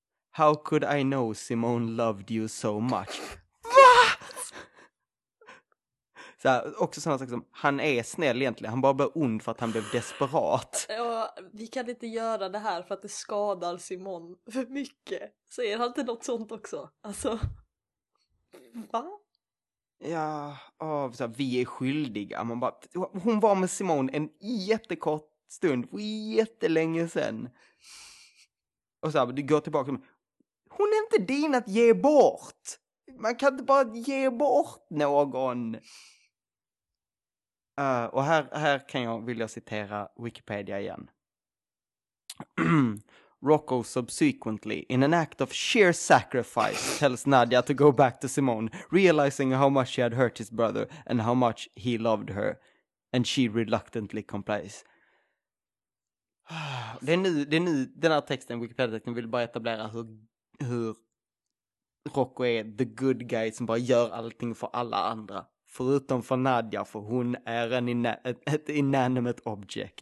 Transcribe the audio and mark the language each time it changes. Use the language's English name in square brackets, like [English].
[English] How could I know Simon loved you so much? [Swedish] Va? Så här, också sådana saker som, han är snäll egentligen. Han bara blev ond för att han blev desperat. Ja, vi kan inte göra det här för att det skadar Simon för mycket. Säger han inte något sånt också? Alltså, va? Ja, oh, så här, vi är skyldiga. Man bara, hon var med Simon en jättekort stund för jättelänge sedan. Och så här, du går tillbaka. Hon är inte din att ge bort. Man kan inte bara ge bort någon. Och här kan jag vilja citera Wikipedia igen. [English] Rocco subsequently, in an act of sheer sacrifice, tells Nadja to go back to Simone, realizing how much she had hurt his brother and how much he loved her. And she reluctantly complies. [Swedish] Det är nu den här texten, Wikipedia-texten, vill bara etablera hur Rocco är [English] the good guy [Swedish] som bara gör allting för alla andra. Förutom för Nadja, för hon är ett [English] inanimate object.